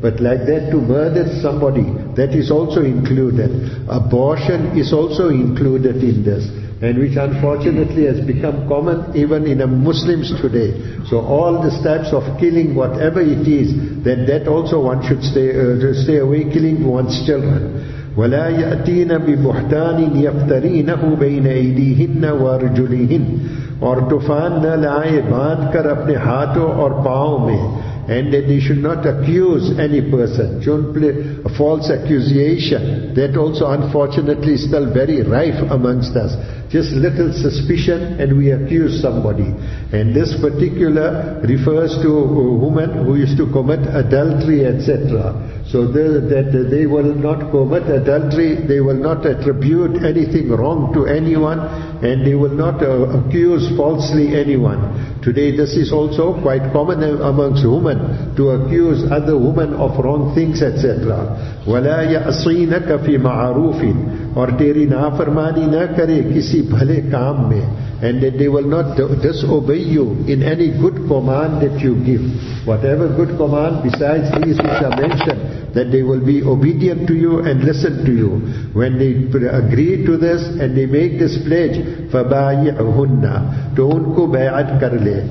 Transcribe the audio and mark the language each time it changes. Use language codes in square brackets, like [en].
[en] But like that, to murder somebody, that is also included. Abortion is also included in this, and which unfortunately has become common even in Muslims today. So all these types of killing, whatever it is, then that also one should stay away, killing one's children. [ar] وَلَا يَأْتِينَ بِبُحْتَانٍ يَفْتَرِينَهُ بَيْنَ أَيْدِيهِنَّ وَرْجُلِهِنَّ [ur] اور طوفان نہ لائے باندھ کر اپنے ہاتھوں اور پاؤں میں. [en] And that they should not accuse any person. A false accusation, that also unfortunately is still very rife amongst us. Just little suspicion and we accuse somebody. And this particular refers to a woman who used to commit adultery, etc. So that they will not commit adultery, they will not attribute anything wrong to anyone, and they will not accuse falsely anyone. Today this is also quite common amongst women, to accuse other women of wrong things, etc. [ar] وَلَا يَعْصِينَكَ فِي مَعَرُوفٍ [ur] اور تیری نافرمانی نہ کرے کسی بھلے کام میں. [en] And that they will not disobey you in any good command that you give. Whatever good command besides these which are mentioned, that they will be obedient to you and listen to you. When they agree to this and they make this pledge, [ar] فَبَايِعْهُنَّ [ur] تو ان کو بیعت کر لے.